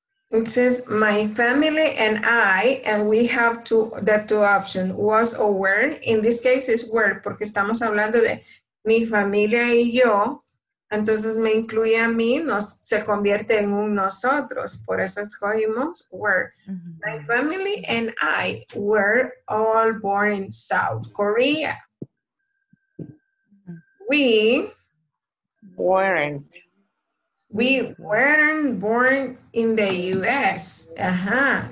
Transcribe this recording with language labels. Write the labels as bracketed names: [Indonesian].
[English] It says, my family and I, and we have the two options, was or were. In this case, it's were, [Spanish] porque estamos hablando de mi familia y yo. Entonces, me incluye a mí, se convierte en un nosotros. Por eso escogimos were. Mm-hmm. [English] My family and I were all born in South Korea. We weren't. We weren't born in the U.S. Uh-huh.